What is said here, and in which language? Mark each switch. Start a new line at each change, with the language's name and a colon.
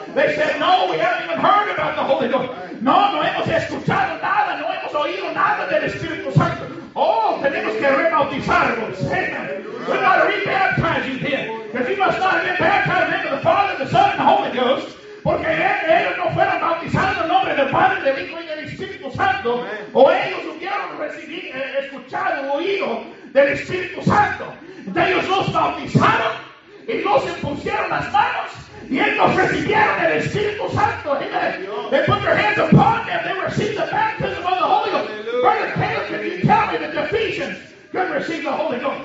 English: They said, no, we haven't even heard about the Holy Ghost.
Spanish: No, no hemos escuchado nada, no hemos oído nada del Espíritu Santo. Oh, tenemos que rebautizarnos.
English: We got to re-baptize you then. Because you must not have been baptized in the name of the Father, the Son, and the Holy Ghost.
Spanish: Porque ellos no fueron bautizados en el nombre del Padre, del Hijo y del Espíritu Santo. O ellos hubieron recibido, escuchado, oído del Espíritu Santo. De ellos los bautizaron y no se pusieron las manos y ellos recibieron el Espíritu Santo.
English: Amen. They put their hands upon them. They received the baptism of the Holy Ghost. Brother Taylor, can you tell me that the Ephesians could receive the Holy Ghost?